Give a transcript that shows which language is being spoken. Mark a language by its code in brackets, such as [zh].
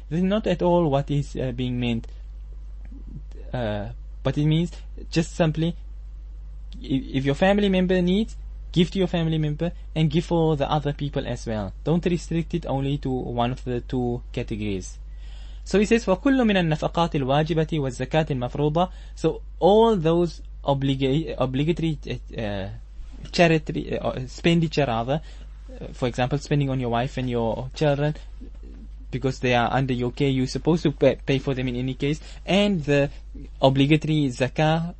[en] This is not at all what is being meant. But it means, just simply, if your family member needs, give to your family member, and give for the other people as well. Don't restrict it only to one of the two categories. So he says, [ar] وكل من النفقات الواجبة والزكاة المفروضة. [en] So all those obligatory charity expenditure, rather, for example, spending on your wife and your children, because they are under your care, you're supposed to pay for them in any case, and the obligatory zakah.